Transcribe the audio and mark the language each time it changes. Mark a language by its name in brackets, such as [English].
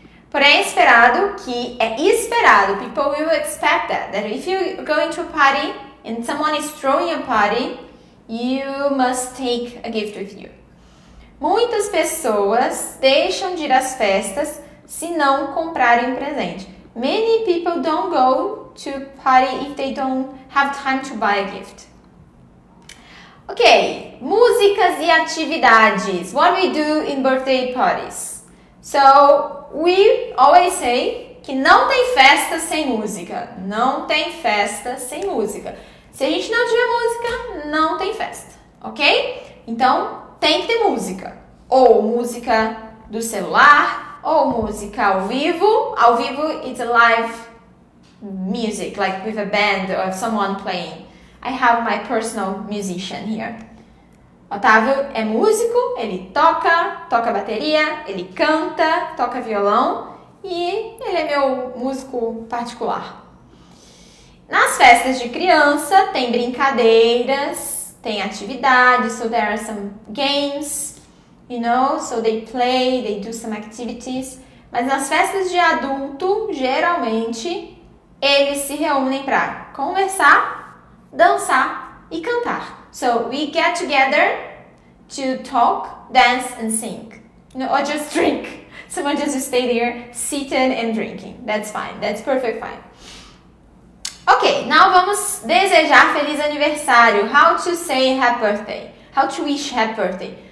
[Portuguese] Porém, é esperado, [English] people will expect that if you're going to a party and someone is throwing a party, you must take a gift with you. [Portuguese] Muitas pessoas deixam de ir às festas se não comprarem presente. [English] Many people don't go to party if they don't have time to buy a gift. Ok, [Portuguese] músicas e atividades. [English] What we do in birthday parties? So, we always say [Portuguese] que não tem festa sem música. Não tem festa sem música. Se a gente não tiver música, não tem festa. Ok? Então, tem que ter música. Ou música do celular, ou música ao vivo. Ao vivo, [English] it's a live music, like with a band or someone playing. I have my personal musician here. [Portuguese] Otávio é músico, ele toca bateria, ele canta, toca violão e ele é meu músico particular. Nas festas de criança tem brincadeiras, tem atividades, [English] so there are some games, you know, so they play, they do some activities. [Portuguese] Mas nas festas de adulto, geralmente, eles se reúnem para conversar, dançar e cantar. [English] So, we get together to talk, dance and sing. No, or just drink. Someone just stay there, sitting and drinking. That's fine. That's perfect fine. [Portuguese] Ok, now vamos desejar feliz aniversário. [English] How to say happy birthday? How to wish happy birthday?